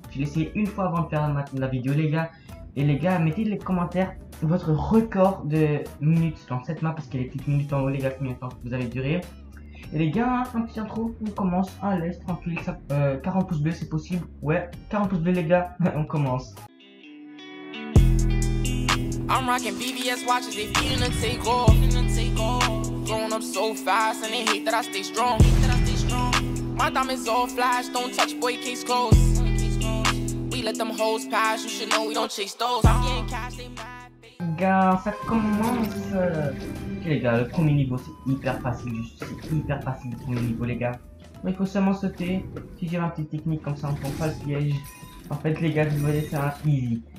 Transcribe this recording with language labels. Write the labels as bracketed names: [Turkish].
[French] Je l'ai essayé une fois avant de faire la vidéo les gars. Et les gars, mettez dans les commentaires votre record de minutes dans cette map, parce qu'elle est toutes minutes en haut les gars, combien de temps vous avez duré. Et les gars, un petit intro, on commence à l'aise, tranquille, 40 pouces bleus c'est possible. Ouais, 40 pouces bleus les gars, on commence. [English] I'm rocking BBS watches, they feelin' to take off. Growing up so fast, and they hate that I stay strong. My diamonds all flash, don't touch, boy, case closed. We let them hoes pass, you should know we don't chase those. I'm getting cash, they mad. [French] Gars, ça commence. Ok, les gars, le premier niveau, c'est hyper facile, juste, c'est hyper facile le premier niveau, les gars. Mais il faut seulement sauter, utiliser un petit technique comme ça, on prend pas le piège. En fait, les gars, vous voyez, c'est un easy.